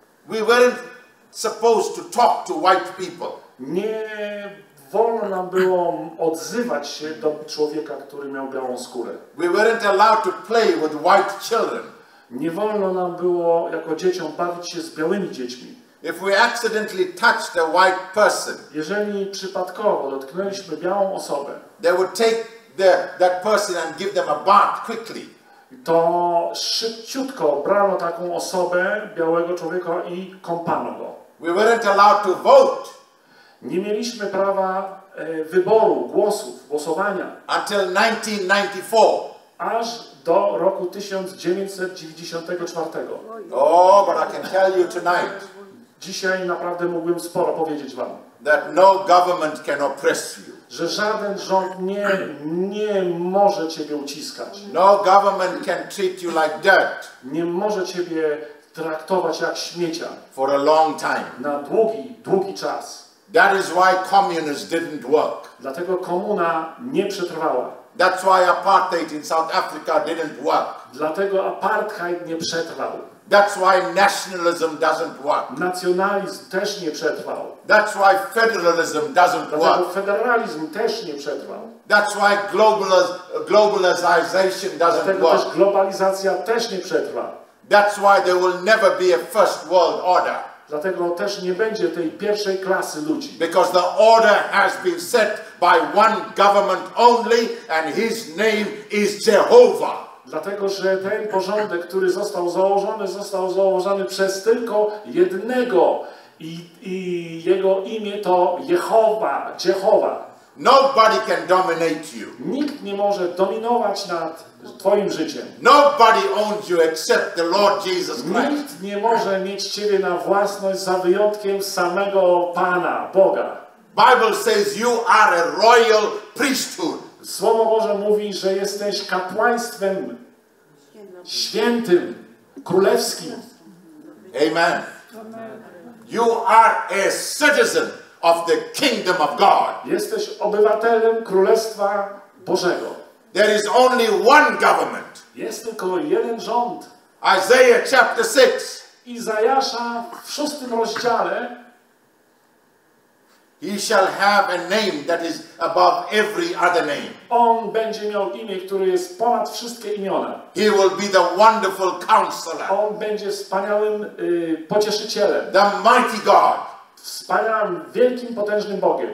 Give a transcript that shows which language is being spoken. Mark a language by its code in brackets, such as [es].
[en] We weren't supposed to talk to white people. [pl] Nie wolno nam było odzywać się do człowieka, który miał białą skórę. [en] We weren't allowed to play with white children. [pl] Nie wolno nam było jako dzieciom bawić się z białymi dziećmi. [en] If we accidentally touched a white person. [pl] Jeżeli przypadkowo dotknęliśmy białą osobę. [en] They would take that person and give them a bath quickly. [pl] To szybciutko brano taką osobę, białego człowieka, i kąpano go. [en] We weren't allowed to vote. [pl] Nie mieliśmy prawa wyboru, głosów, głosowania. [en] Until 1994. [pl] Aż do roku 1994. [en] Oh, but I can tell you tonight. [pl] Dzisiaj naprawdę mógłbym sporo powiedzieć wam. [en] That no government can oppress you. [pl] Że żaden rząd nie może ciebie uciskać. [en] No government can treat you like dirt. [pl] Nie może ciebie traktować jak śmiecia. [en] For a long time. [pl] Na długi, długi czas. [en] That is why communism didn't work. [pl] Dlatego komuna nie przetrwała. [en] That's why apartheid in South Africa didn't work. [pl] Dlatego apartheid nie przetrwał. [en] That's why nationalism doesn't work. [pl] Nacjonalizm też nie przetrwał. [en] That's why federalism doesn't work. [pl] Dlatego federalizm też nie przetrwał. [en] That's why globalization doesn't [pl] Dlatego [en] work. [pl] Też globalizacja też nie przetrwa. [en] That's why there will never be a first world order. [pl] Dlatego też nie będzie tej pierwszej klasy ludzi. [en] Because the order has been set by one government only and his name is Jehovah. [pl] Dlatego, że ten porządek, który został założony przez tylko jednego I jego imię to Jehowa, Jehowa. [en] Nobody can dominate you. [pl] Nikt nie może dominować nad twoim życiem. [en] Nobody owns you except the Lord Jesus Christ. [pl] Nikt nie może mieć ciebie na własność za wyjątkiem samego Pana, Boga. [en] Bible says you are a royal priesthood. [pl] Słowo Boże mówi, że jesteś kapłaństwem świętym, królewskim. [en] Amen. You are a citizen of the kingdom of God. [pl] Jesteś obywatelem Królestwa Bożego. [en] There is only one government. [pl] Jest tylko jeden rząd. [en] Isaiah chapter 6. [pl] Izajasza w 6 rozdziale. [en] He shall have a name that is above every other name. [pl] On będzie miał imię, które jest ponad wszystkie imiona. [en] He will be the wonderful counselor. [pl] On będzie wspaniałym pocieszycielem. [en] The mighty God. [pl] Wspaniałym, wielkim, potężnym Bogiem.